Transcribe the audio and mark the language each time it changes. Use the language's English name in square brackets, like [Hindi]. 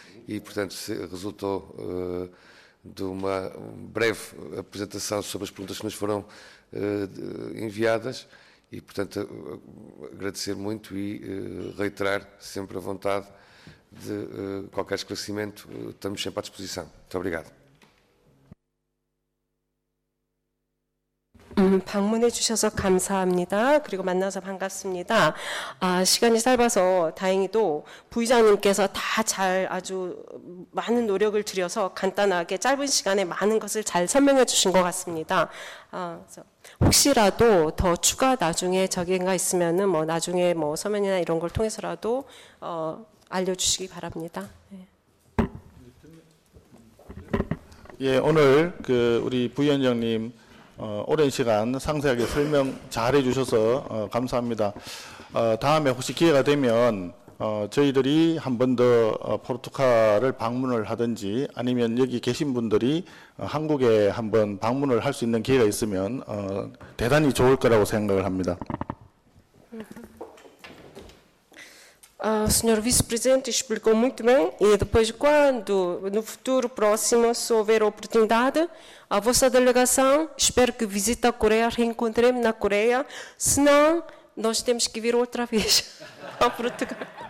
[Portuguese] E, portanto, resultou de uma breve apresentação sobre as perguntas que nos foram enviadas e, portanto, agradecer muito e reiterar sempre a vontade de qualquer esclarecimento, estamos sempre à disposição. Muito obrigado. [Korean] 방문해 주셔서 감사합니다. 그리고 만나서 반갑습니다. 시간이 짧아서 다행히도 부의장님께서 다 잘 아주 많은 노력을 들여서 간단하게 짧은 시간에 많은 것을 잘 설명해 주신 것 같습니다. 혹시라도 더 추가 나중에 저기가 있으면은 뭐 나중에 뭐 서면이나 이런 걸 통해서라도 알려주시기 바랍니다. 예, 오늘 그 우리 부위원장님 오랜 시간 상세하게 설명 잘해 주셔서 감사합니다. 다음에 혹시 기회가 되면 저희들이 한 번 더 포르투갈을 방문을 하든지 아니면 여기 계신 분들이 한국에 한번 방문을 할 수 있는 기회가 있으면 대단히 좋을 거라고 생각을 합니다. [Portuguese] Senhor Vice-Presidente explicou muito bem e depois quando, no futuro próximo, se houver oportunidade, a vossa delegação, espero que visite a Coreia, reencontremos na Coreia, senão nós temos que vir outra vez a Portugal.